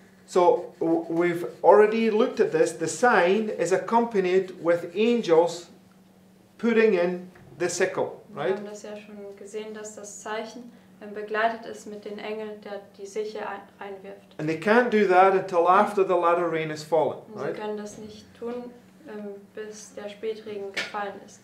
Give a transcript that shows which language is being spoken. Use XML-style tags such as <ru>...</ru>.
<en>So we've already looked at this. The sign is accompanied with angels putting in the sickle, right?</en> <de>Wir haben das ja schon gesehen, dass das Zeichen begleitet ist mit den Engeln, der die Sichel einwirft.</de> <en>And they can't do that until after the latter rain has fallen, right?</en> <de>Sie können das nicht tun, bis der Spätregen gefallen ist.</de>